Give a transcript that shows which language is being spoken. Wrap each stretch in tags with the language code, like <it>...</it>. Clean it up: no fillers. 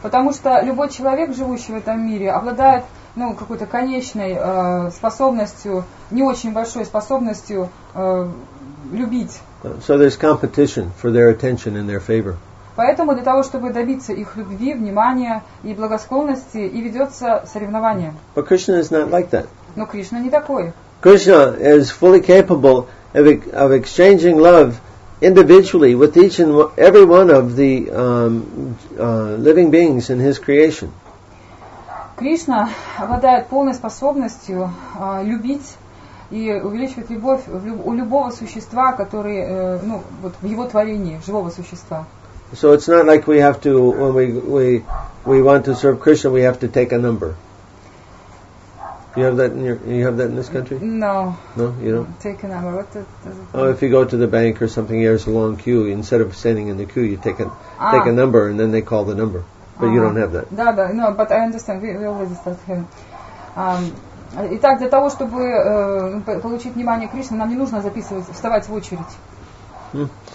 <ru>Потому что любой человек, живущий в этом мире, обладает какой-то конечной способностью, не очень большой способностью любить.</ru> <en>So there's competition for their attention and their favor.</en> <ru>Поэтому для того, чтобы добиться их любви, внимания и благосклонности, и ведется соревнование.</ru> <en>But Krishna is not like that.</en> <ru>Но Кришна не такой.</ru> <en>Krishna is fully capable of exchanging love individually with each and every one of the living beings in his creation.</en> <ru>Кришна обладает полной способностью любить и увеличивать любовь у любого существа, который, в его творении, живого существа.</ru> <en>So it's not like we have to, when we want to serve Krishna, we have to take a number. You have that in this country? No. No, you don't? Take a number. If you go to the bank or something, there's a long queue. Instead of standing in the queue, you take a number and then they call the number. But you don't have that. Да, no, but I understand. We already start here.</en> <ru>Итак, для того, чтобы получить внимание Кришны, нам не нужно вставать в очередь.</ru>